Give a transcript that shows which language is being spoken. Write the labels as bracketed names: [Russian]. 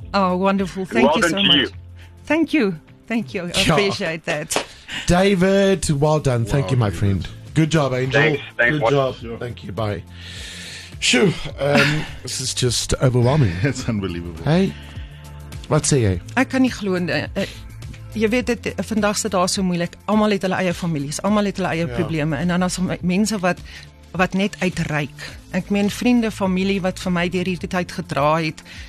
[English] Oh, wonderful. Thank you so much. Thank you. I appreciate that. David, well done. Thank you, my friend. Good job, Angel. Thanks. Good job. Thank you. Bye. Shoo. this is just overwhelming. It's unbelievable. [Afrikaans] Hey, wat sê jy? Ek kan nie glo nie. Jy weet dit, vandag sit daar so moeilik. Almal het hulle eie families. Almal het hulle eie probleme. En dan as mense wat net uitreik. Ek meen vriende, familie wat vir my deur hierdie tyd gedra het.